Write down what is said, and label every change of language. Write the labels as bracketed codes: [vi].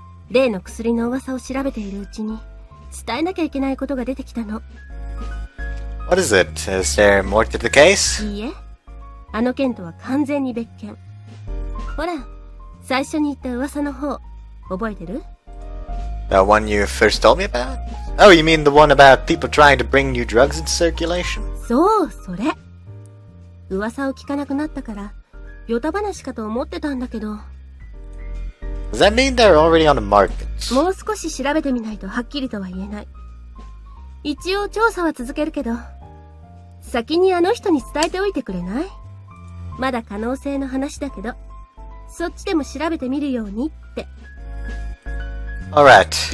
[ja] 例の薬の噂を調べているうちに、伝えなきゃいけないことが出てきたの。 [en] What is it? Is there more to the case? [ja] いいえ、あの件とは完全に別件。ほら、最初に言った噂の方、覚えてる？ [en] The one you first told me about? Oh, you mean the one about people trying to bring new drugs into circulation? [ja] そう、それ。噂を聞かなくなったから、ヨタ話かと思ってたんだけど。 [en] Does that mean they're already on the market? [ja] もう少し調べてみないとはっきりとは言えない。一応調査は続けるけど、先にあの人に伝えておいてくれない？まだ可能性の話だけど、そっちでも調べてみるようにって。 [en] Alright.